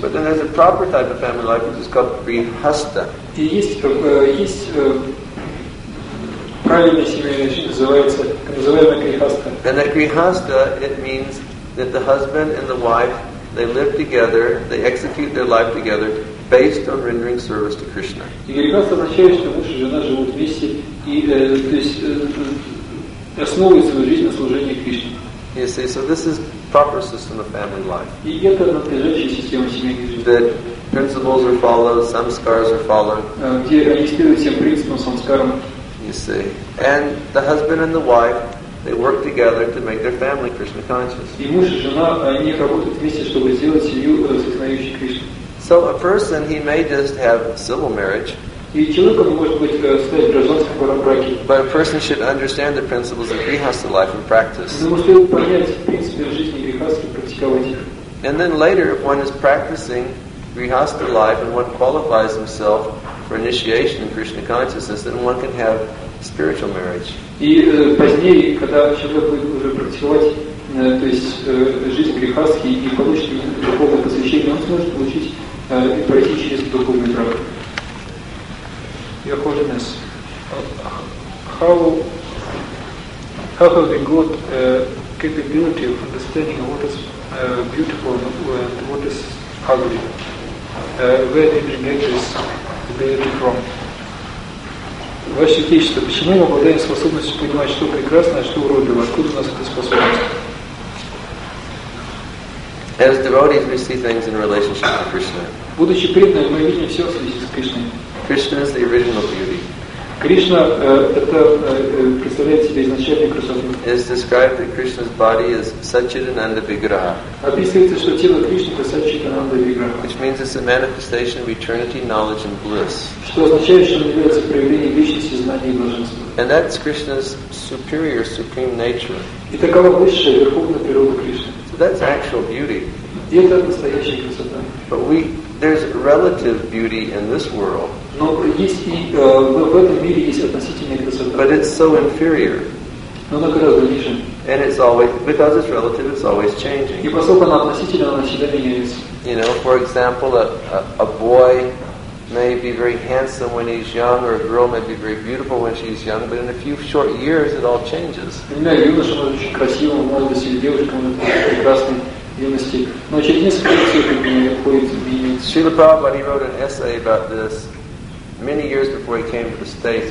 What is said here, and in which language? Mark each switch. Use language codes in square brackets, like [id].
[en] But then there's a proper type of family life, which is called grihastha. [ru] И есть правильная семейная жизнь, называемая grihastha. [en] And that grihastha, it means that the husband and the wife, they live together, they execute their life together, based on rendering service to Krishna. [ru] И грихастха означает, что муж и жена живут вместе, и то есть основывают свою жизнь на служении Кришне. [en] You see, so this is proper system of family life. [ru] И это надлежащая система семейной жизни. [en] That principles are followed, samskaras are followed. [ru] Где регистрируют всем принципам, самскарам. [en] You see, and the husband and the wife, they work together to make their family Krishna conscious. [ru] И муж и жена, они работают вместе, чтобы сделать семью сознающей Кришну. [en] So a person, he may just have civil marriage. [ru] И человек может быть стать гражданским браком. [en] But a person should understand the principles of grihastha life and practice. [ru] Но нужно понять принципы жизни грихастхи, практиковать их. [en] And then later, if one is practicing grihastha life and one qualifies himself for initiation in Krishna consciousness, then one can have spiritual marriage. [ru] И позднее, когда человек будет уже практиковать, то есть жизнь грихастхи и получить духовное посвящение, он сможет получить и пройти через духовный брак. [en] Your Holiness, how have we got capability of understanding what is beautiful and what is ugly? Where did we get this ability from? [ru] Ваше Величество, почему мы обладаем способностью понимать, что прекрасно, а что уродливо? Откуда у нас эта способность? [en] As devotees, we see things in relationship to Krishna. [ru] Будучи преданными, мы видим все в связи с Кришной. [en] Krishna is the original beauty. [ru] Krishna это представляет себе изначальную красоту. [en] It's described that Krishna's body is Satchitananda Vigraha. [ru] Описывается, что тело Кришны это Satchitananda Vigraha. [en] Which means it's a manifestation of eternity, knowledge, and bliss. [ru] Что означает, что он является проявлением вечности, знания и блаженства. [en] And that's Krishna's superior, supreme nature. [ru] И такова высшая верховная природа Кришны. [en] So that's actual beauty. [ru] И это настоящая красота. [en] But we there's relative beauty in this world. [ru] Но есть и в этом мире есть относительная красота. [en] But it's so inferior. [ru] Но она гораздо ниже. [en] And it's always because it's relative, it's always changing. [ru] И поскольку она относительная, она всегда меняется. [en] You know, for example, a boy may be very handsome when he's young, or a girl may be very beautiful when she's young, but in a few short years, it all changes. [ru] Например, юноша очень красивый, может быть, или девушка, он прекрасный. [en] Srila Prabhupada, he wrote an essay about this many years before he came to the States.